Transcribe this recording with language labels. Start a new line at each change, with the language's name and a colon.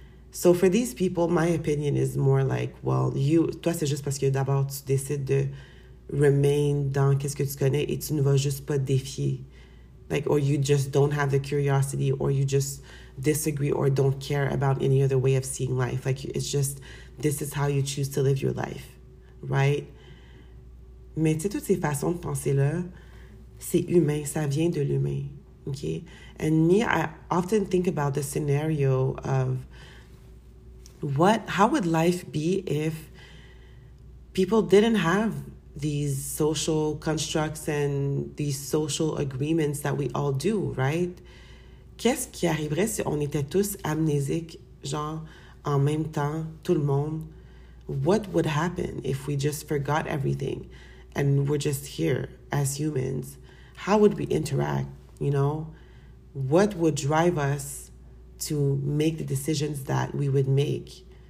English: So for these people, my opinion is more like, well, you,
French: toi, c'est juste parce que d'abord, tu décides de remain dans qu'est-ce que tu connais et tu ne vas juste pas défier.
English: Like, or you just don't have the curiosity, or you just disagree or don't care about any other way of seeing life. Like, it's just, this is how you choose to live your life, right?
French: Mais tu sais, toutes ces façons de penser-là, c'est humain, ça vient de l'humain, okay?
English: And me, I often think about the scenario of how would life be if people didn't have these social constructs and these social agreements that we all do, right?
French: Qu'est-ce qui arriverait si on était tous amnésiques, genre, en même temps, tout le monde?
English: What would happen if we just forgot everything and we're just here as humans? How would we interact, you know? What would drive us to make the decisions that we would make?